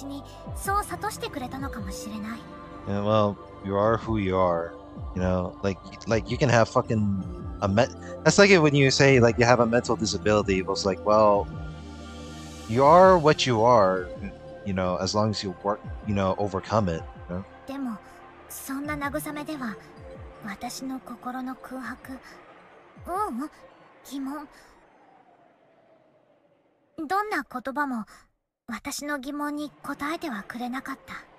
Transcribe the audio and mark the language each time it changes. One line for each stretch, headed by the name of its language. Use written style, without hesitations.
Japanese: 親も他人も関係ねえ。お前はお前だ。それを未熟な幼児に教えるのはきっと難しかったろうね。ひょっとしたら幼稚園の先生はいじめられて泣く私にそう諭してくれたのかもしれない。
English: Yeah, well, you are who you are. You know, like you can have fucking a that's like it when you say like you have a mental disability. It was like, well, you are what you are, you know, as long as you work, you know, overcome it.
Japanese: でもそんな慰めでは私の心の空白、うん、疑問、どんな言葉も私の疑問に答えてはくれなかった。